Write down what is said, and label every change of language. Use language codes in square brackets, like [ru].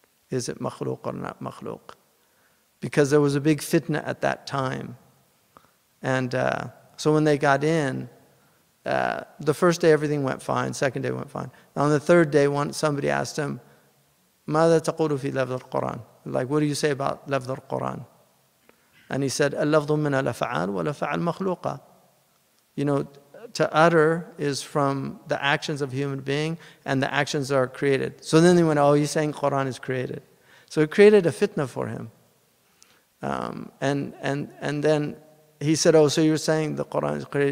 [en] Is it makhluq or not makhluq? Because there was a big fitna at that time. And so when they got in, the first day everything went fine, second day went fine. And on the third day, somebody asked him, [ar] ماذا تقول في لفظ القرآن? [en] Like, what do you say about lafz al-Qur'an? [ar] And he said, اللفظ من الأفعال والأفعال مخلوقة. [en] You know, to utter is from the actions of a human being, and the actions are created. So then they went, oh, he's saying Quran is created. So it created a fitna for him. And then he said, oh, so you're saying the Quran is created?